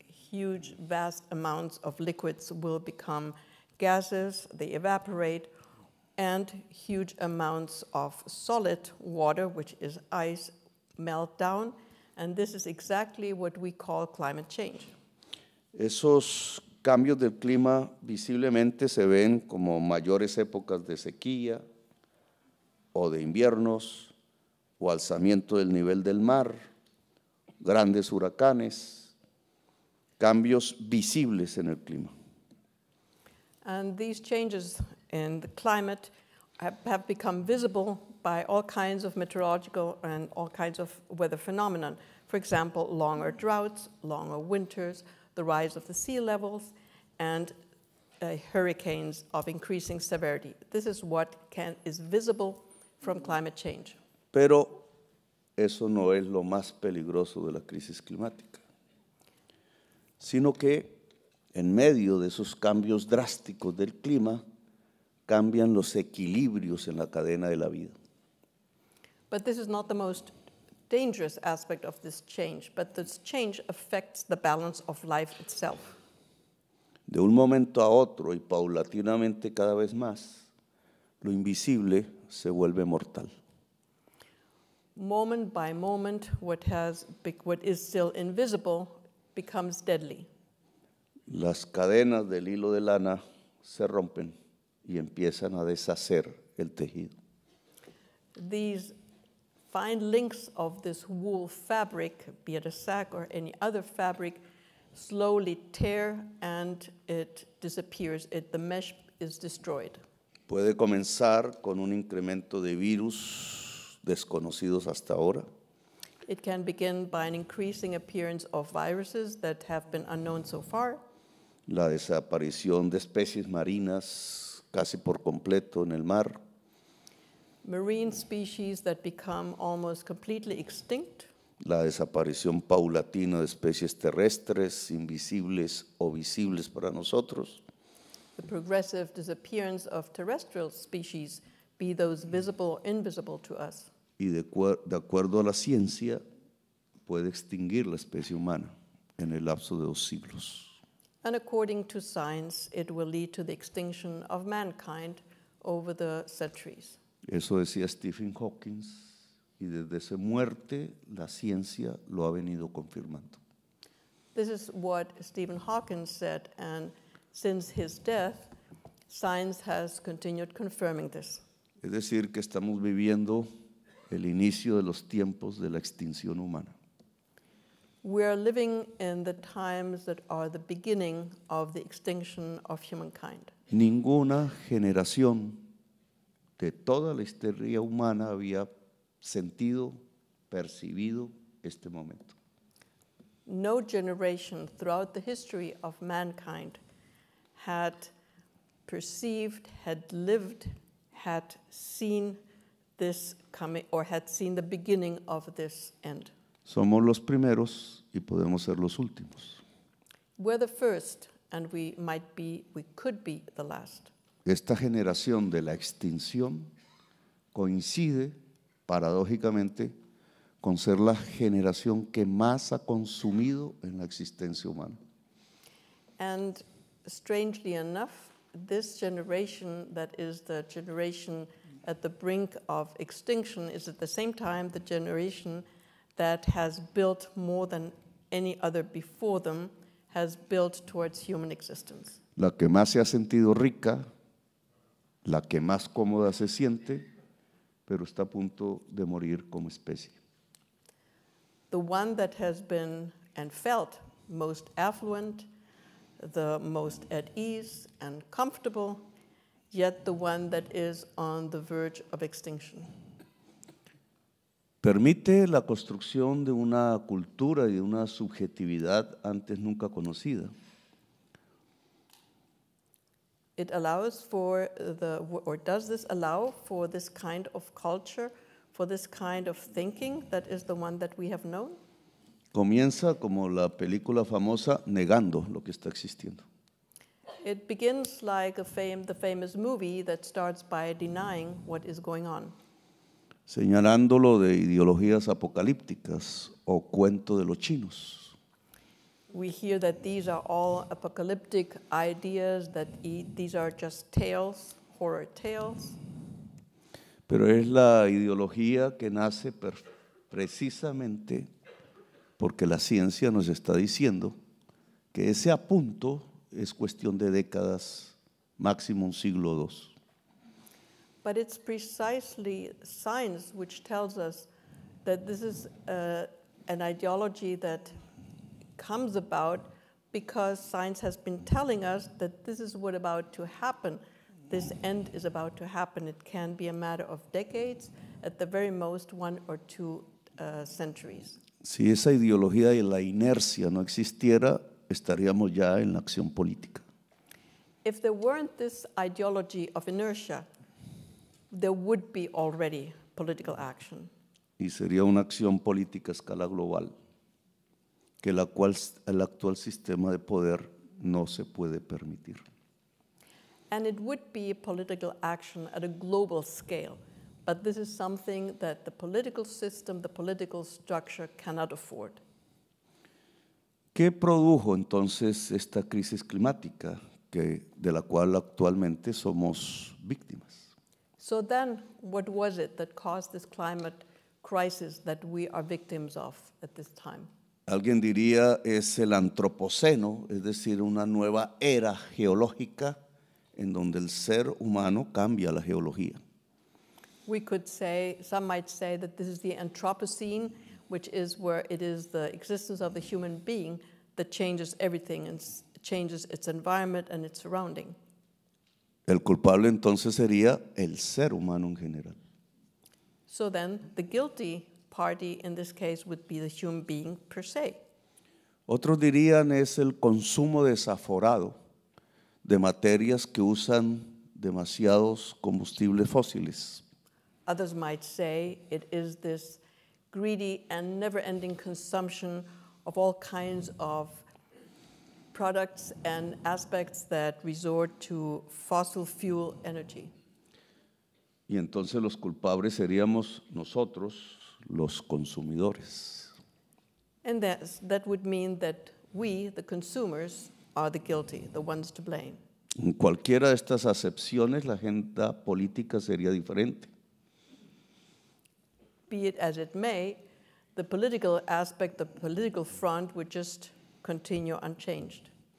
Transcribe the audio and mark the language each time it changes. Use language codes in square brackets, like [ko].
[en] Huge, vast amounts of liquids will become gases, they evaporate, and huge amounts of solid water, which is ice, melt down, and this is exactly what we call climate change. [es] Esos cambios del clima visiblemente se ven como mayores épocas de sequía, o de inviernos, o alzamiento del nivel del mar, grandes huracanes, cambios visibles en el clima. [en] And these changes in the climate have become visible by all kinds of meteorological and all kinds of weather phenomena. For example, longer droughts, longer winters, the rise of the sea levels, and hurricanes of increasing severity. This is what is visible from climate change. [es] Pero eso no es lo más peligroso de la crisis climática, sino que en medio de esos cambios drásticos del clima, cambian los equilibrios en la cadena de la vida. [en] But this is not the most dangerous aspect of this change, but this change affects the balance of life itself. [es] De un momento a otro y paulatinamente cada vez más, lo invisible se vuelve mortal. [en] Moment by moment, what is still invisible becomes deadly. [es] Las cadenas del hilo de lana se rompen y empiezan a deshacer el tejido. [en] These fine links of this wool fabric, be it a sack or any other fabric, slowly tear and it disappears. The mesh is destroyed. [es] Puede comenzar con un incremento de virus desconocidos hasta ahora. [en] It can begin by an increasing appearance of viruses that have been unknown so far. [es] La desaparición de especies marinas casi por completo en el mar. [en] Marine species that become almost completely extinct. [es] La desaparición paulatina de especies terrestres, invisibles o visibles para nosotros. [en] The progressive disappearance of terrestrial species, be those visible or invisible to us. [es] Y de acuerdo a la ciencia, puede extinguir la especie humana en el lapso de dos siglos. [en] And according to science, it will lead to the extinction of mankind over the centuries. [es] Eso decía Stephen Hawking, y desde su muerte la ciencia lo ha venido confirmando. [en] This is what Stephen Hawking said, and since his death, science has continued confirming this. [es] Es decir, que estamos viviendo el inicio de los tiempos de la extinción humana. [en] We are living in the times that are the beginning of the extinction of humankind. [es] Ninguna generación de toda la historia humana había sentido, percibido este momento. [en] No generation throughout the history of mankind had perceived, had lived, had seen this coming, or had seen the beginning of this end. [es] Somos los primeros y podemos ser los últimos. [en] We're the first, and we might be, we could be the last. [es] Esta generación de la extinción coincide, paradójicamente, con ser la generación que más ha consumido en la existencia humana. [en] And strangely enough, this generation that is the generation at the brink of extinction is at the same time the generation that has built more than any other before them, has built towards human existence. [es] La que más se ha sentido rica, la que más cómoda se siente, pero está a punto de morir como especie. [en] The one that has been and felt most affluent, the most at ease and comfortable, yet the one that is on the verge of extinction. [es] Permite la construcción de una cultura y de una subjetividad antes nunca conocida. [en] It allows for the, or does this allow for this kind of culture, for this kind of thinking that is the one that we have known? [es] Comienza como la película famosa negando lo que está existiendo. [en] It begins like a famous movie that starts by denying what is going on. [es] Señalándolo de ideologías apocalípticas o cuento de los chinos. [en] We hear that these are all apocalyptic ideas, that these are just tales, horror tales. [es] Pero es la ideología que nace precisamente porque la ciencia nos está diciendo que ese apunto es cuestión de décadas, máximo un siglo o dos. [en] But it's precisely science which tells us that this is an ideology that comes about because science has been telling us that this is what about to happen. This end is about to happen. It can be a matter of decades, at the very most one or two centuries. [es] Si esa ideología de la inercia no existiera, estaríamos ya en la acción política. [en] If there weren't this ideology of inertia, there would be already political action. [es] Y sería una acción política a escala global, que la cual el actual sistema de poder no se puede permitir. [en] And it would be a political action at a global scale, but this is something that the political system, the political structure cannot afford. [es] ¿Qué produjo entonces esta crisis climática que, de la cual actualmente somos víctimas? [en] So then, what was it that caused this climate crisis that we are victims of at this time? [es] Alguien diría es el antropoceno, es decir, una nueva era geológica en donde el ser humano cambia la geología. [en] We could say, some might say that this is the Anthropocene, which is where it is the existence of the human being that changes everything and changes its environment and its surrounding. [es] El culpable entonces sería el ser humano en general. [en] So then, the guilty party in this case would be the human being per se. [es] Otros dirían es el consumo desaforado de materias que usan demasiados combustibles fósiles. [en] Others might say it is this greedy and never-ending consumption of all kinds of products and aspects that resort to fossil fuel energy. [es] Y entonces los culpables seríamos nosotros, los consumidores. [en] And that would mean that we, the consumers, are the guilty, the ones to blame. [es] En cualquiera de estas acepciones, la agenda política sería diferente. [en] Be it as it may, the political aspect, the political front, would just continue unchanged.